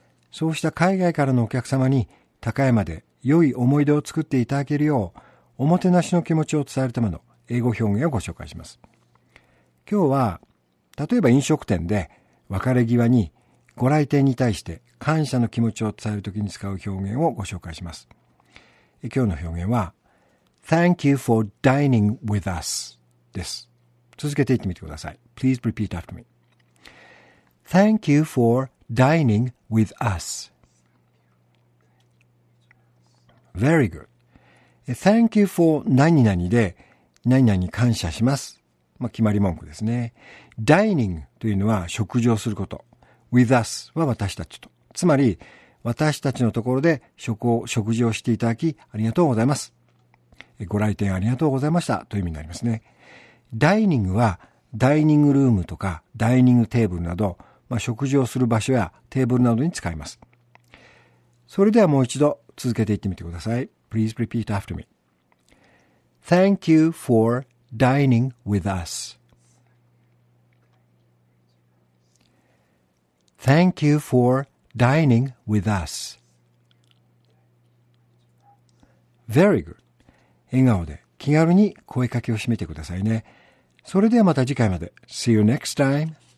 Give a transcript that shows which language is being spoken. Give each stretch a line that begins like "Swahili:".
Japanese: そうした海外からのお客様に高山で良い思い出を作っていただけるよう、おもてなしの気持ちを伝えるための英語表現をご紹介します。今日は、例えば飲食店で別れ際にご来店に対して感謝の気持ちを伝えるときに使う表現をご紹介します。今日の表現は
English: Thank you for dining with us
Japanese: です。続けて言ってみてください。
English: Please repeat after me. Thank you for dining with us. Very good. Thank you for
Japanese: 何々で何々に感謝します。まあ、決まり文句ですね。Dining というのは食事をすること。
English: With us
Japanese: は私たちと。つまり、私たちのところで食事をしていただき、ありがとうございます。ご来店ありがとうございました。という意味になりますね。ダイニングは、ダイニングルームとか、ダイニングテーブルなど、まあ、食事をする場所やテーブルなどに使います。それではもう一度、続けていってみてください。
English: Please repeat after me. Thank you for dining with us. Thank you for dining with us. Very good.
Japanese: 笑顔で気軽に声かけを締めてくださいね。それではまた次回まで。
English: See you next time.